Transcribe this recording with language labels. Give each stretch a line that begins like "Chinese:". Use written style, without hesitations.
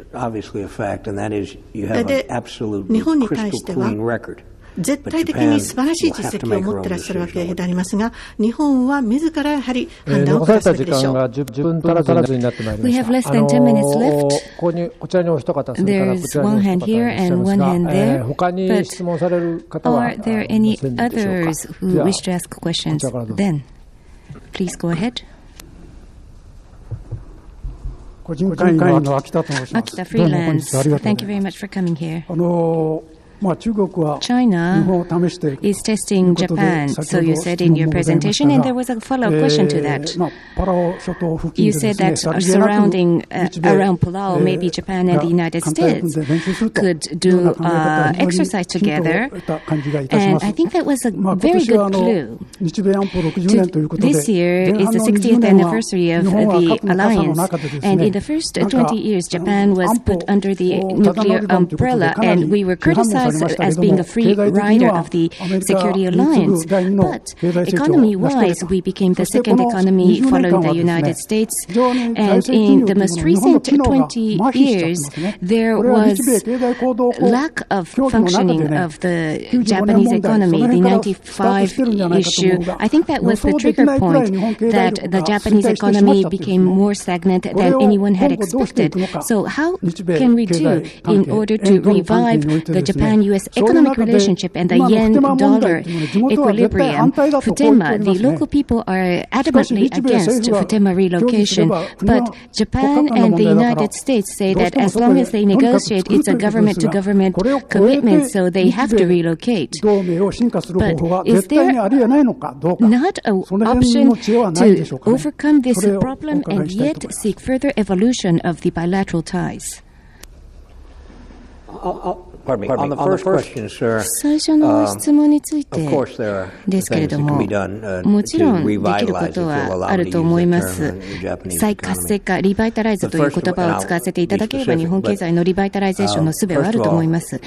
Japanese: 日本に対しては絶対的に素晴らしい実績を持っていらっしゃるわけでありますが、日本は自らやはり判断を下すべきでしょう。時間が10分足らずになってまいりました。
English: We have less than 10 minutes left.
Japanese: こちらにお一方、それからこちらにお一方がいらっしゃるんですが、
English: there is one hand here and one hand there.
Japanese: 他に質問される方はいませんでしょうか。
English: Are there any others who wish to ask questions? Then, please go ahead.
Japanese: 個人会員の秋田と申します。
English: 秋田、freelance. Thank you very much for coming here.
Japanese: まあ、中国は日本を試していくということで、先ほど質問もございましたが、まあ、パラオ諸島付近でですね、さりげなく日米が簡単に練習するというような考え方が非常にヒントを得た感じがいたします。まあ、今年は日米安保60年ということで、前半の20年は日本は核の傘の中でですね、なんか安保を立ち上げたということで、かなり批判されました。
English: as being a free rider of the security alliance. But economy-wise, we became the second economy following the United States. And in the most recent 20 years, there was lack of functioning of the Japanese economy, the 95 issue. I think that was the trigger point that the Japanese economy became more stagnant than anyone had expected. So how can we do in order to revive the Japan-U.S. economic relationship and the yen-dollar equilibrium? Futenma, the local people are adamantly against Futenma relocation, but Japan and the United States say that as long as they negotiate, it's a government-to-government commitment, so they have to relocate. But is there not an option to overcome this problem and yet seek further evolution of the bilateral ties? On the first question, sir,
Japanese: 最初の質問についてですけれども、もちろんできることはあると思います。再活性化、リバイタライズという言葉を使わせていただければ、日本経済のリバイタライゼーションの術はあると思います。